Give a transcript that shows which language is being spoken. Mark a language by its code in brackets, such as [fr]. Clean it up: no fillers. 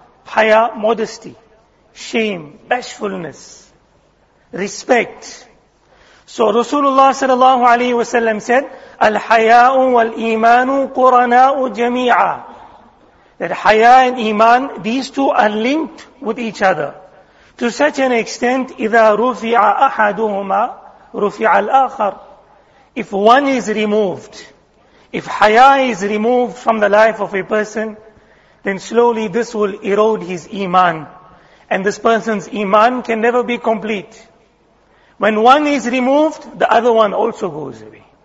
[en] Haya, modesty, shame, bashfulness, respect. So Rasulullah sallallahu alayhi wa sallam said, [ar] Al-haya'u wal-imanu qurana'u jami'a. [en] That haya and iman, these two are linked with each other. To such an extent, [ar] إِذَا رُفِعَ أَحَدُهُمَا رُفِعَ الْآخَرُ. [en] If one is removed, if haya is removed from the life of a person, then slowly this will erode his iman. And this person's iman can never be complete. When one is removed, the other one also goes away.